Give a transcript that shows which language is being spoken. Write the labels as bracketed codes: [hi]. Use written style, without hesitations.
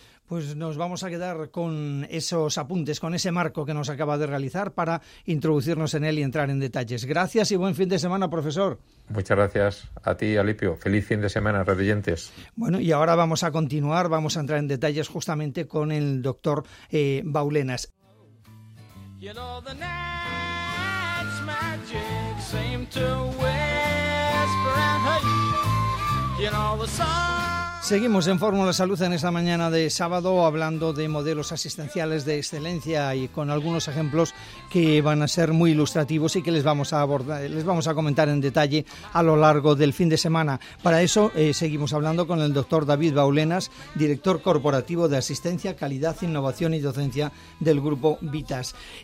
[es] Pues nos vamos a quedar con esos apuntes, con ese marco que nos acaba de realizar para introducirnos en él y entrar en detalles. Gracias y buen fin de semana, profesor. Muchas gracias a ti, Alipio. Feliz fin de semana, radioyentes. Bueno, y ahora vamos a continuar, vamos a entrar en detalles justamente con el doctor Baulenas. [en] You know the night's magic seem to whisper and hush. You know the sun. [es] Seguimos en Fórmula Salud en esta mañana de sábado hablando de modelos asistenciales de excelencia y con algunos ejemplos que van a ser muy ilustrativos y que les vamos a abordar, les vamos a comentar en detalle a lo largo del fin de semana. Para eso seguimos hablando con el doctor David Baulenas, director corporativo de asistencia, calidad, innovación y docencia del grupo Vitas.